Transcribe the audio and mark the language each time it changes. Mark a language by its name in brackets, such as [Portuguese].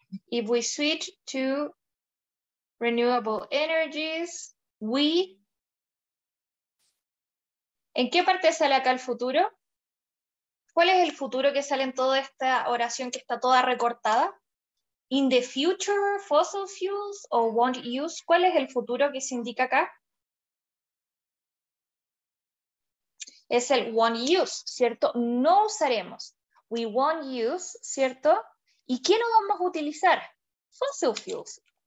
[English] If we switch to renewable energies, we. [Spanish] ¿En qué parte sale acá el futuro? ¿Cuál es el futuro que sale en toda esta oración que está toda recortada? [English] In the future, fossil fuels o won't use. [Spanish] ¿Cuál es el futuro que se indica acá? Es el won't use, ¿cierto? No usaremos. [English] We won't use, [Spanish] ¿cierto? ¿Y qué no vamos a utilizar? Fossil fuels.